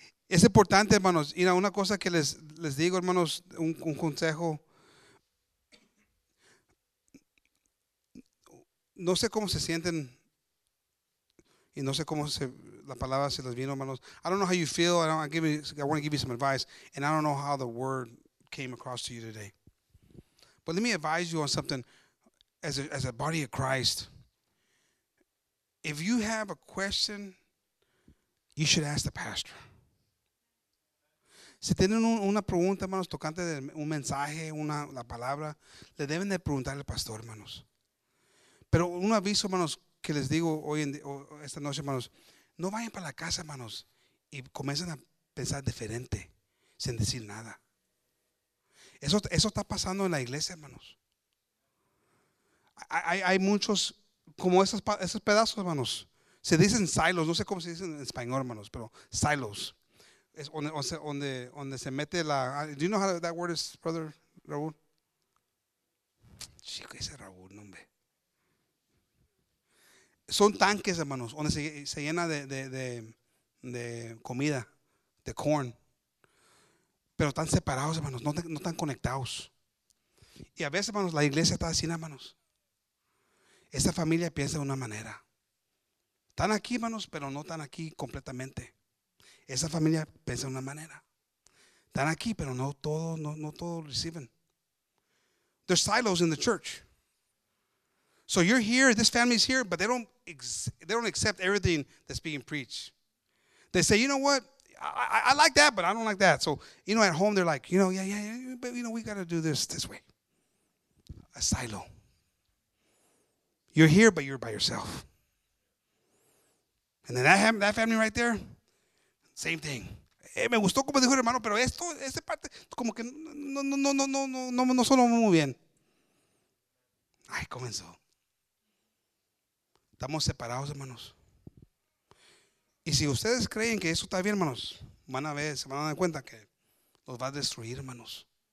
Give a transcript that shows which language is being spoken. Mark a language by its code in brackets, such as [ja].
[es] Es importante, hermanos. Mira, una cosa que les digo, hermanos, un consejo. No sé cómo se sienten. Y no sé cómo la palabra se les vino, hermanos. [en] I don't know how you feel. I want to give you some advice. And I don't know how the word came across to you today. But let me advise you on something. As a body of Christ, if you have a question, you should ask the pastor. [es] Si tienen una pregunta, hermanos, tocante de un mensaje, la palabra, le deben de preguntar al pastor, hermanos. Pero un aviso, hermanos, que les digo esta noche, hermanos, no vayan para la casa, hermanos, y comiencen a pensar diferente, sin decir nada. Eso está pasando en la iglesia, hermanos. Hay muchos, como esos pedazos, hermanos. Se dicen silos, no sé cómo se dice en español, hermanos, pero silos. Es donde se mete la... [en] Do you know how that word is, brother Raúl? [es] Chico, ese Raúl, nombre. Son tanques, hermanos, donde se llena de comida, de corn. Pero están separados, hermanos, no están conectados. Y a veces, hermanos, la iglesia está así, hermanos. Esta familia piensa de una manera. Están aquí, hermanos, pero no están aquí completamente. Esa familia piensa de una manera. Están aquí, pero no todos reciben. [en] There's silos in the church. So you're here, this family is here, but they don't accept everything that's being preached. They say, you know what? I like that, but I don't like that. So, you know, at home they're like, you know, yeah, but you know, we got to do this way. A silo. You're here, but you're by yourself. And then that family right there, same thing. [es] Me gustó como dijo el hermano, pero esto, esta parte, como que no sonó muy bien. Ay, comenzó. Estamos separados, hermanos. Y si ustedes creen que eso está bien, hermanos, van a ver, se van a dar cuenta que los va a destruir, hermanos.